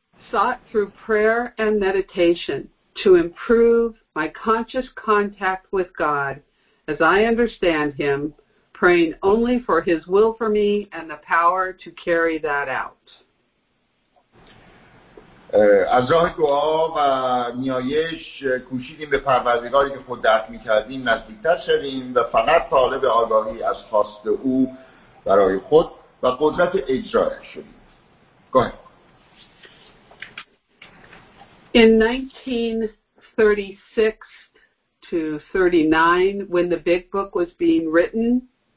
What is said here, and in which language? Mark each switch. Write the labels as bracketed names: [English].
[English] Sought through prayer and meditation to improve my conscious contact with God as I understand Him, praying only for His will for me and the power to carry that out. [Persian] از راه دعا و نیایش کوشیدیم به پروردگاری که خود درک می‌کردیم نزدیک‌تر شویم و فقط طالب آگاهی از خواست او برای خود و قدرت اجرایش شویم. [English] Go ahead. In 1936 to 39, when the big book was being written,